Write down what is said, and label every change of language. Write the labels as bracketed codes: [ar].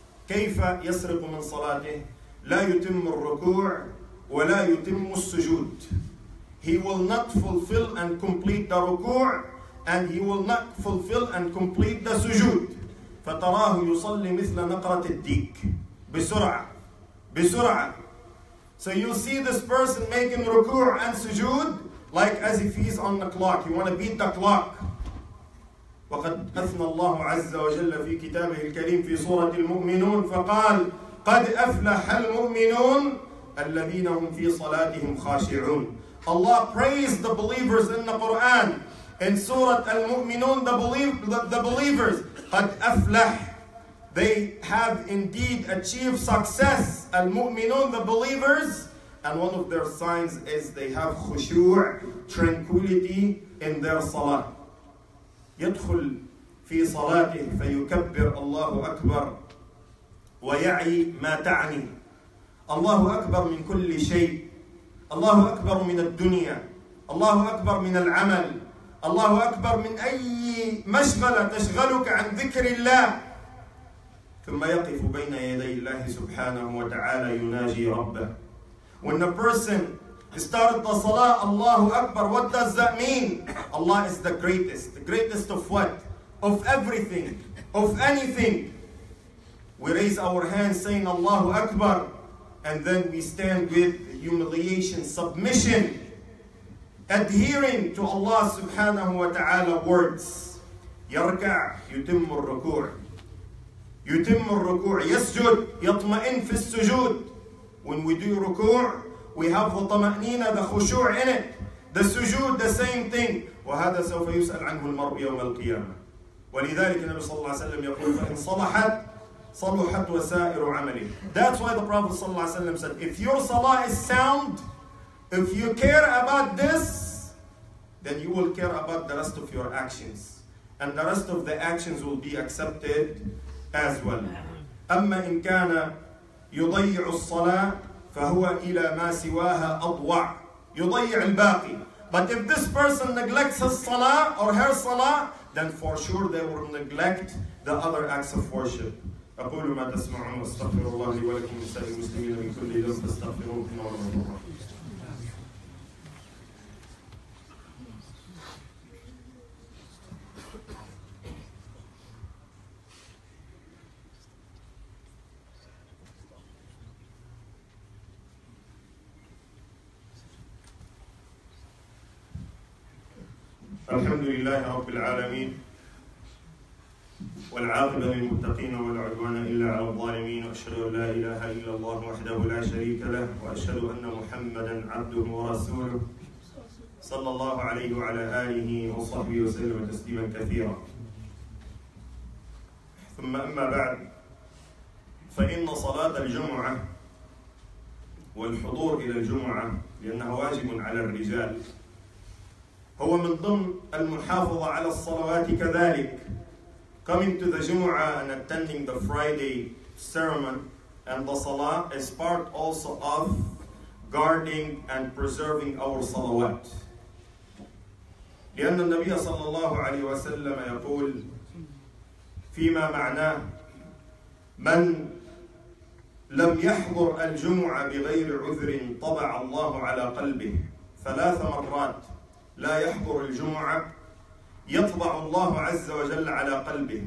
[ar] كيف يسرق من صلاته؟ لا يتم الركوع ولا يتم السجود. [en] He will not fulfill and complete the ruku' and he will not fulfill and complete the sujood. [ar] فتراه يصلي مثل نقرة الديك. بسرعة. بسرعة. [en] So you see this person making ruku' and sujood like as if he's on the clock. You want to beat the clock. [ar] وقد أثنى الله عز وجل في كتابه الكريم في سورة المؤمنون فقال قد أفلح المؤمنون الذين هم في صلاتهم خاشعون. [en] Allah praised the believers in the Quran. In Surah Al-Mu'minun, the believers, [ar] قَدْ أَفْلَحْ, [en] they have indeed achieved success. Al-Mu'minun, the believers. And one of their signs is they have khushu', tranquility in their salah. [ar] يَدْخُلْ فِي صَلَاتِهِ فَيُكَبِّرْ اللَّهُ أَكْبَرُ وَيَعِي مَا تَعْنِي. الله أكبر من كل شيء. الله أكبر من الدنيا. الله أكبر من العمل. الله أكبر من أي مشغلة تشغلك عن ذكر الله. ثم يقف بين يدي الله سبحانه وتعالى يناجي ربه. [en] When a person started the salah, [ar] الله أكبر, [en] what does that mean? Allah is the greatest. The greatest of what? Of everything. Of anything. We raise our hands saying [ar] الله أكبر. [en] And then we stand with humiliation, submission, adhering to Allah subhanahu wa ta'ala words. [ar] يَرْكَعْ يُتِمُّ الرُّكُوعِ يُتِمُّ الرُّكُوعِ يَسْجُدْ يَطْمَئِنْ فِي السُّجُودِ. [en] When we do ruku', we have the طمأنينة, the khushu' in it. The sujood, the same thing. [ar] وَهَذَا سَوْفَ يُسْأَلْ عَنْهُ الْمَرْءُ يَوْمَ الْقِيَامَةِ. وَلِذَلِكَ نَبِي صَلَّى اللَّهُ عَلَيْهِ وَسَلَّمَ يَقُولُ فَإِنْ صَلَحَتْ صَلُحَتْ وَسَائِرُ عَمَلِهِ. [en] That's why the Prophet ﷺ said, if your salah is sound, If you care about this, then you will care about the rest of your actions. And the rest of the actions will be accepted as well. [ar] أما إن كان يضيع الصلاة فهو إلى ما سواها أضوع. يضيع الباقي. [en] But if this person neglects his salah or her salah, then for sure they will neglect the other acts of worship. [ar] أقول ما تسمعون استغفر الله لي ولكم نساء المسلمين من كل ذنب استغفرون الله ورحمة الله. الحمد لله رب العالمين والعاقبة للمتقين ولا عدوان إلا على الظالمين وأشهد أن لا إله إلا الله وحده لا شريك له وأشهد أن محمداً عبده ورسوله صلى الله عليه وعلى آله وصحبه وسلم تسليماً كثيراً. ثم أما بعد، فإن صلاة الجمعة والحضور إلى الجمعة لأنها واجب على الرجال هو من ضمن المحافظة على الصلوات كذلك. [en] Coming to the Jumu'ah and attending the Friday ceremony and the Salah is part also of guarding and preserving our salawat. [ar] لأن النبي صلى الله عليه وسلم يقول فيما معناه من لم يحضر الجمعة بغير عذر طبع الله على قلبه ثلاث مرات لا يحضر الجمعة يطبع الله عز وجل على قلبه.